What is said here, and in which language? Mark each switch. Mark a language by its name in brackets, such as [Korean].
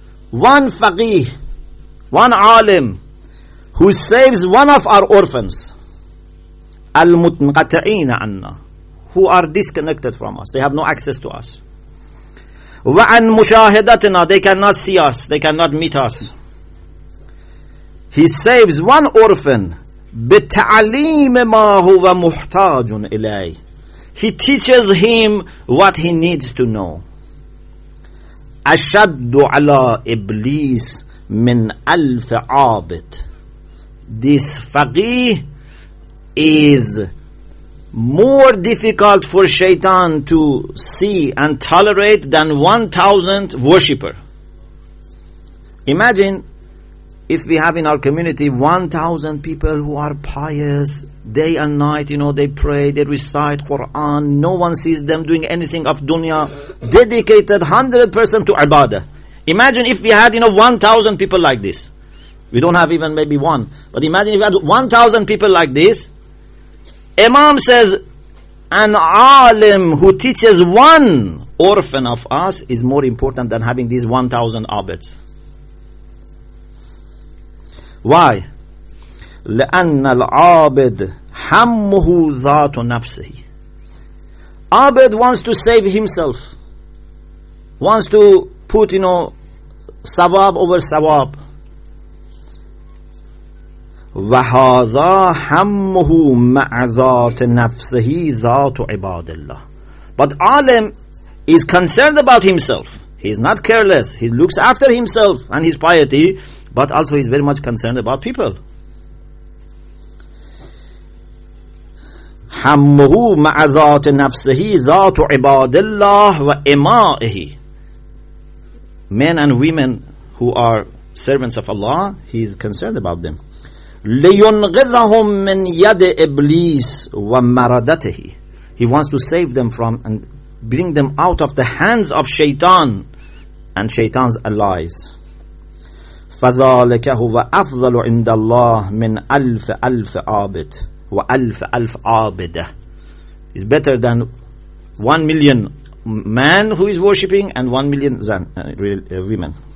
[English] One faqih, one alim, who saves one of our orphans, [Arabic] al-mutqati'in anna, [English] who are disconnected from us, they have no access to us. [Arabic] Wa an mushahidatina, [English] they cannot see us, they cannot meet us. He saves one orphan, [Arabic] بتعليم ما هو محتاج إليه. [English] He teaches him what he needs to know. [Arabic] أشد على إبليس من ألف عابد. [English] This faqih is more difficult for Shaitan to see and tolerate than 1,000 worshipper. Imagine if we have in our community 1,000 people who are pious day and night, they pray, they recite Quran, no one sees them doing anything of dunya, dedicated 100% to ibadah. Imagine if we had 1,000 people like this. We don't have even maybe one, but imagine if we had 1,000 people like this. Imam says an alim who teaches one orphan of us is more important than having these 1,000 abids. Why? [Arabic] لَأَنَّ الْعَابِدْ حَمُّهُ ذَاتُ نَفْسِهِ. [English] Abid wants to save himself, wants to put, savab over savab. [Arabic] و هذا همه مع ذات نفسه ذات عباد الله. [English] But Alim is concerned about himself. He is not careless. He looks after himself and his piety, but also he is very much concerned about people. [Arabic] حمه مع ذات نفسه ذات عباد الله و امائه. [English] Men and women who are servants of Allah, he is concerned about them. [Arabic] لينقذهم من يد ابليس و مردته. [English] He wants to save them from and bring them out of the hands of Shaitan and Shaitan's allies. [Arabic] فذلك هو أفضل عند الله من ألف ألف عابد وألف ألف عابدة. [English] It's better than 1 million men who is worshipping and 1 million women.